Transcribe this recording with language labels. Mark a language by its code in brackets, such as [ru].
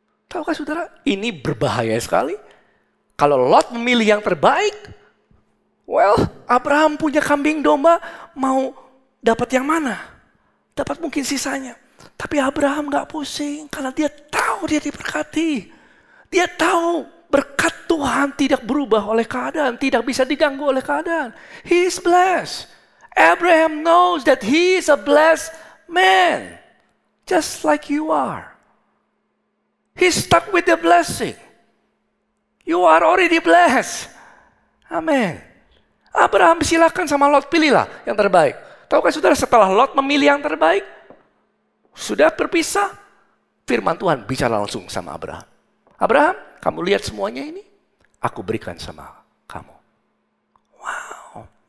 [id] Tahukah saudara, ini berbahaya sekali. Kalau Lot memilih yang terbaik, well, Abraham punya kambing domba, mau dapat yang mana? Dapat mungkin sisanya. Tapi Abraham gak pusing, karena dia tahu dia diberkati. Dia tahu berkat Tuhan tidak berubah oleh keadaan, tidak bisa diganggu oleh keadaan. [en] He is blessed. Abraham knows that he is a blessed man, just like you are. He stuck with the blessing. You are already blessed. [id] Amen. Abraham silakan sama Lot, pilihlah yang terbaik. Tahukah saudara, setelah Lot memilih yang terbaik, sudah berpisah, firman Tuhan bicara langsung sama Abraham. Abraham, kamu lihat semuanya ini? Aku berikan sama kamu. Wow.